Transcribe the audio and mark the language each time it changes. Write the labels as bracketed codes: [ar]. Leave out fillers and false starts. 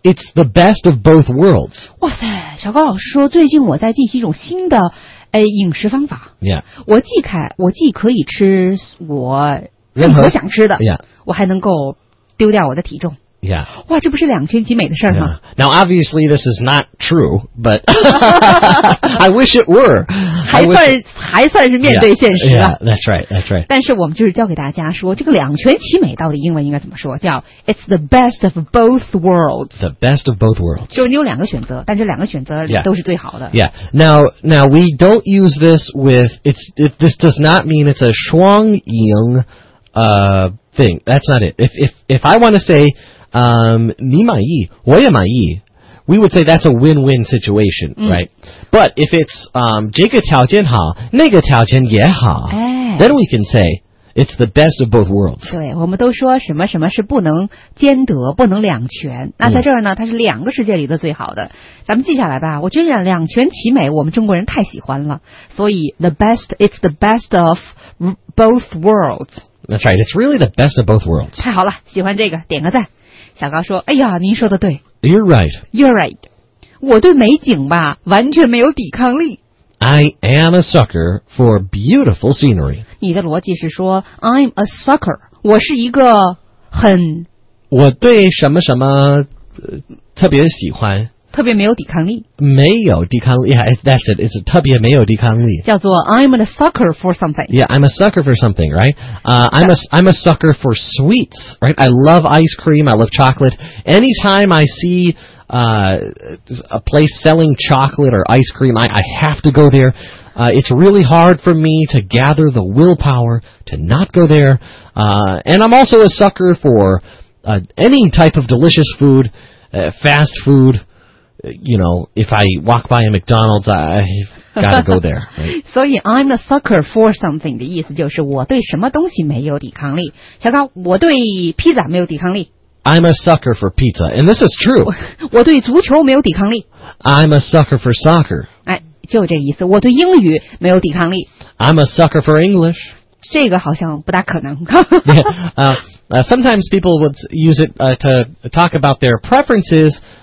[en] It's the best of both worlds. [zh] 哇塞，小高老师说最近我在进行一种新的饮食方法。 [en] Yeah. [zh] 我既可以吃我。任何想吃的 [en] ，Yeah， [zh] 我还能够丢掉我的体重 [en] ，Yeah， [zh] 哇，这不是两全其美的事儿吗、 [en] yeah. ？Now obviously this is not true, but I wish it were. [zh] 还算是面对现实 [en] 了。Yeah, that's right, that's right. [zh] 但是我们就是教给大家说，这个两全其美到底英文应该怎么说？ [en] 叫 It's the best of both worlds. The best of both worlds. [zh] 就是你有两个选择，但这两个选择都是最好的。 [en] Yeah. Now we don't use this with it's. It, this does not mean it's a [zh] 双赢。 [en] thing. That's not it. If I want to say, [zh] 你满意，我也满意, [en] we would say that's a win-win situation,、mm. right? But if it's, [zh] 这个条件好，那个条件也好、哎、 [en] then we can say it's the best of both worlds. [zh] 对，我们都说什么什么是不能兼得，不能两全。那在这儿呢，它是两个世界里的最好的。咱们记下来吧。我觉得两全其美，我们中国人太喜欢了。 [en] 所以 the best, it's the best of both worlds. That's right. It's really the best of both worlds. [zh] 太好了，喜欢这个，点个赞。小高说：“哎呀，您说的对。 [en] ”You're right. You're right. [zh] 我对美景吧，完全没有抵抗力。 [en] I am a sucker for beautiful scenery. [zh] 你的逻辑是说 ， [en] I'm a sucker. [zh] 我是一个很…… 我对什么什么、特别喜欢。特别没有抵抗力，没有抵抗力。 [en] Yeah, that's it. It's [zh] 特别没有抵抗力。 [en] 叫做 I'm a sucker for something. Yeah, I'm a sucker for something, right? I'm a sucker for sweets, right? I love ice cream. I love chocolate. Anytime I see a place selling chocolate or ice cream, I have to go there. It's really hard for me to gather the willpower to not go there. And I'm also a sucker for any type of delicious food, fast food. You know, if I walk by a McDonald's, I've got to go there. So、 right? I'm a sucker for something. [zh] 的意思就是我对什么东西没有抵抗力。小高，我对披萨没有抵抗力。 [en] I'm a sucker for pizza, and this is true. [zh] 我对足球没有抵抗力。 [en] I'm a sucker for soccer. [zh] 哎，就这意思。我对英语没有抵抗力。 [en] I'm a sucker for English. [zh] 这个好像不大可能。 [en] sometimes people would use it to talk about their preferences.